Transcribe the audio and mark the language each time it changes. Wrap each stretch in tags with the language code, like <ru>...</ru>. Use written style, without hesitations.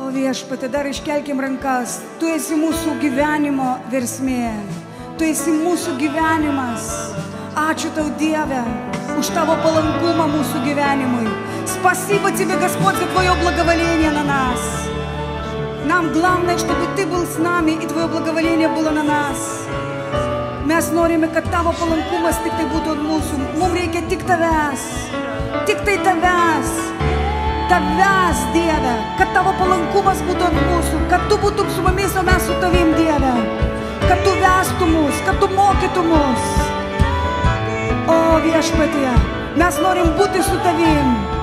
<lt>Viešpatie, dar iškelkim rankas. Tu esi mūsų gyvenimo versmė. Tu esi mūsų gyvenimas. Ačiū tau, Dieve, už tavo palankumą mūsų gyvenimui.</lt> <ru>Спасибо тебе, Господь, за твоё благоволение на нас. Нам главное, чтобы ты был с нами и твоё благоволение было на нас.</ru> <lt>Mes norime, kad tavo palankumas tik tai būtų ant mūsų. Mums reikia tik tavęs. Tik tai tavęs. Tavęs, Dieve, kad tavo palankumas būtų ant mūsų, kad tu būtum su mumis, o mes su tavim, Dieve. Kad tu vestų mus, kad tu mokytų mus. O, Viešpatie, mes norim būti su tavim.</lt>